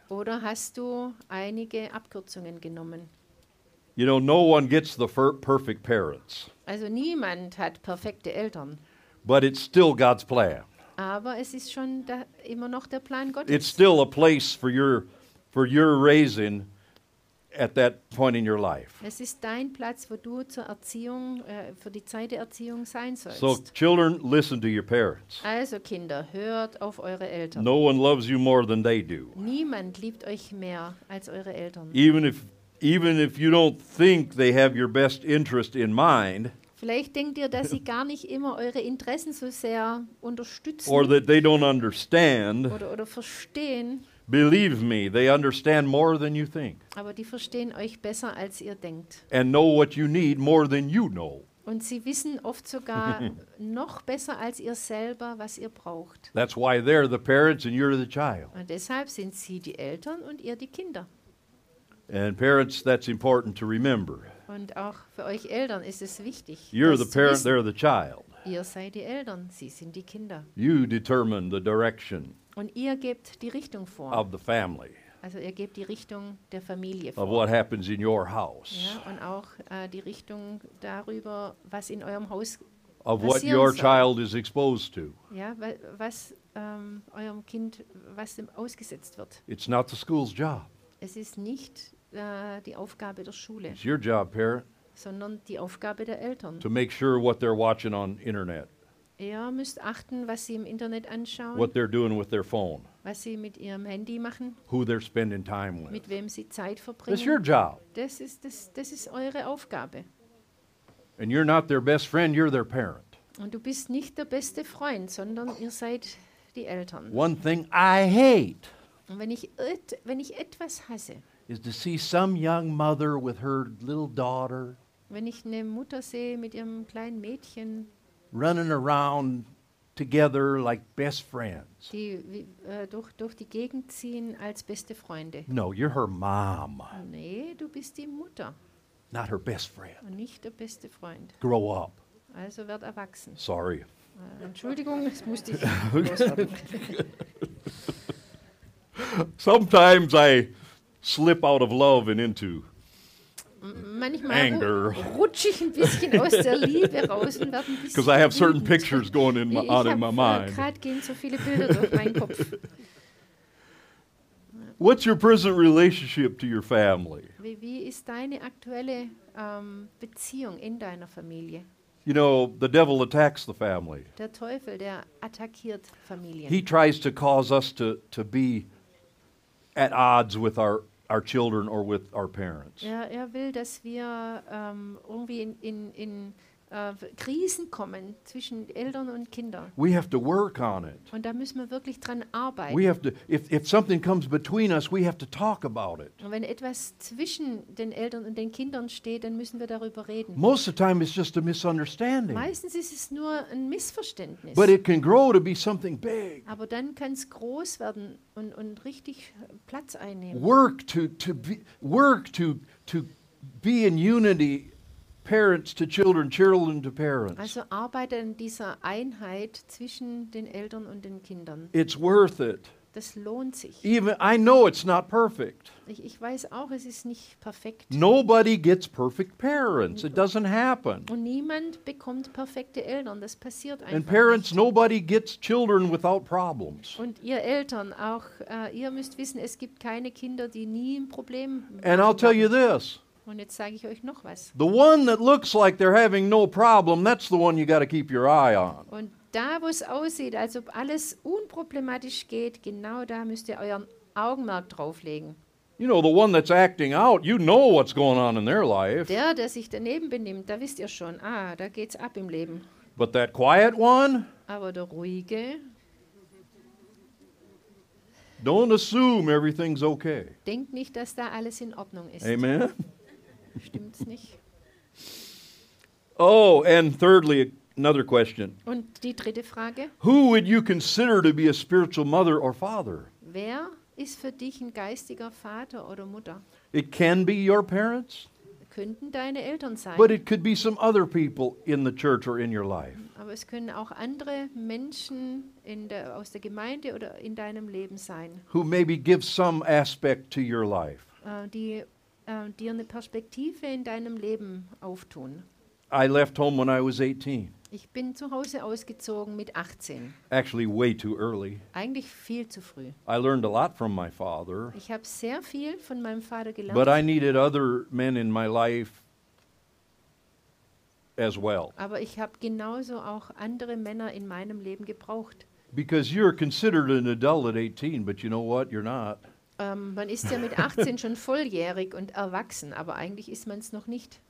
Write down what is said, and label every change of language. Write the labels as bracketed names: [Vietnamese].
[German] Oder hast du einige Abkürzungen genommen? [English] You know, no one gets the perfect parents. [German] Also niemand hat perfekte Eltern. [English] But it's still God's plan. [German] Aber es ist schon immer noch der Plan Gottes. [English] It's still a place for your raising at that point in your life. [German] Es ist dein Platz, wo du zur Erziehung für die Zeit der Erziehung sein sollst. [English] So children, listen to your parents. [German] Also Kinder, hört auf eure Eltern. [English] No one loves you more than they do. [German] Niemand liebt euch mehr als eure Eltern. [English] Even if you don't think they have your best interest in mind. [German] Vielleicht denkt ihr, dass sie gar nicht immer eure Interessen so sehr unterstützen. [English] Or that they don't understand. [German] Oder verstehen. [English] Believe me, they understand more than you think. [German] Aber die verstehen euch besser, als ihr denkt. [English] And know what you need more than you know. [German] Und sie wissen oft sogar noch besser als ihr selber, was ihr braucht. [English] That's why they're the parents and you're the child. [German] Und deshalb sind sie die Eltern und ihr die Kinder. [English] And parents, that's important to remember. [German] Und auch für euch Eltern ist es wichtig. [English] You're the parent, they're the child. [German] Ihr seid die Eltern, sie sind die Kinder. [English] You determine the direction. [German] Und ihr gebt die Richtung vor. [English] Of the family. [German] Also ihr gebt die Richtung der Familie vor. [English] Of what happens in your house. [German] Ja, und auch die Richtung darüber, was in eurem Haus passieren soll. [English] Of what your child is exposed to. [German] Ja, was eurem Kind, was dem ausgesetzt wird. [English] It's not the school's job. [German] Es ist nicht die Aufgabe der Schule. [English] It's your job, parent. [German] Sondern die Aufgabe der Eltern. [English] To make sure what they're watching on internet. [German] Ihr müsst achten, was sie im Internet anschauen. [English] What they're doing with their phone. [German] Was sie mit ihrem Handy machen. [English] Who they're spending time with. [German] Mit wem sie Zeit verbringen. [English] It's your job. [German] Das ist eure Aufgabe. [English] And you're not their best friend, you're their parent. [German] Und du bist nicht der beste Freund, sondern ihr seid die Eltern. [English] One thing I hate. [German] Und wenn ich etwas hasse. [English] Is to see some young mother with her little daughter. [German] Wenn ich eine Mutter sehe mit ihrem kleinen Mädchen. [English] Running around together like best friends. [German] Die durch die Gegend ziehen als beste Freunde. [English] No, you're her mom. [German] Nee, du bist die Mutter. [English] Not her best friend. [German] Und nicht der beste Freund. [English] Grow up. [German] Also werd erwachsen. [English] Sorry. [German] Entschuldigung, das musste ich loswerden. [English] Sometimes I slip out of love and into [German] manchmal [English] anger. [German] Rutsche ich ein bisschen aus der Liebe raus und werde ein bisschen [English] I have certain pictures going in my, on in my mind. [German] Gerade gehen so viele Bilder durch meinen Kopf. [English] What's your present relationship to your family? [German] Wie ist deine aktuelle Beziehung in deiner Familie? [English] You know, the devil attacks the family. [German] Der Teufel, der attackiert Familien. [English] He tries to cause us to be at odds with our children or with our parents. [German] Er will, dass wir irgendwie in Krisen kommen zwischen Eltern und Kindern. [English] We have to work on it. [German] Und da müssen wir wirklich dran arbeiten. [English] We have to if something comes between us, we have to talk about it. [German] Und wenn etwas zwischen den Eltern und den Kindern steht, dann müssen wir darüber reden. [English] Most of the time it's just a misunderstanding. [German] Meistens ist es nur ein Missverständnis. [English] But it can grow to be something big. [German] Aber dann kann es groß werden und richtig Platz einnehmen. [English] Work to be in unity. Parents to children, children to parents. [German] Also arbeite an dieser Einheit zwischen den Eltern und den Kindern. [English] It's worth it. [German] Das lohnt sich. [English] Even I know it's not perfect. [German] Ich weiß auch, es ist nicht perfekt. [English] Nobody gets perfect parents. It doesn't happen. [German] Und niemand bekommt perfekte Eltern. Das passiert einfach. [English] And parents, [German] nicht. [English] Nobody gets children without problems. [German] Und ihr Eltern auch. Ihr müsst wissen, es gibt keine Kinder, die nie ein Problem. [English] And I'll tell you this. [German] Und jetzt sage ich euch noch was. [English] The one that looks like they're having no problem, that's the one you got to keep your eye on. [German] Und da, wo es aussieht, als ob alles unproblematisch geht, genau da müsst ihr euren Augenmerk drauflegen. [English] You know, the one that's acting out, you know what's going on in their life. [German] Der sich daneben benimmt, da wisst ihr schon, da geht's ab im Leben. [English] But that quiet one? [German] Aber der ruhige? [English] Don't assume everything's okay. [German] Denkt nicht, dass da alles in Ordnung ist. [English] Amen. [German] Stimmt's nicht? [English] Oh, and thirdly, another question. [German] Und die dritte Frage. [English] Who would you consider to be a spiritual mother or father? [German] Wer ist für dich ein geistiger Vater oder Mutter? [English] It can be your parents. [German] Könnten deine Eltern sein. [English] But it could be some other people in the church or in your life. [German] Aber es können auch andere Menschen aus der Gemeinde oder in deinem Leben sein. [English] Who maybe give some aspect to your life. [German] Dir eine Perspektive in deinem Leben auftun. [English] I left home when I was 18. [German] Ich bin zu Hause ausgezogen mit 18. [English] Actually way too early. [German] Eigentlich viel zu früh. [English] I learned a lot from my father. [German] Ich habe sehr viel von meinem Vater gelernt. [English] But I needed other men in my life as well. [German] Aber ich habe genauso auch andere Männer in meinem Leben gebraucht. [English] Because you're considered an adult at 18, but you know what? You're not. [German] Man ist ja mit 18 schon volljährig und erwachsen, aber eigentlich ist man es noch nicht.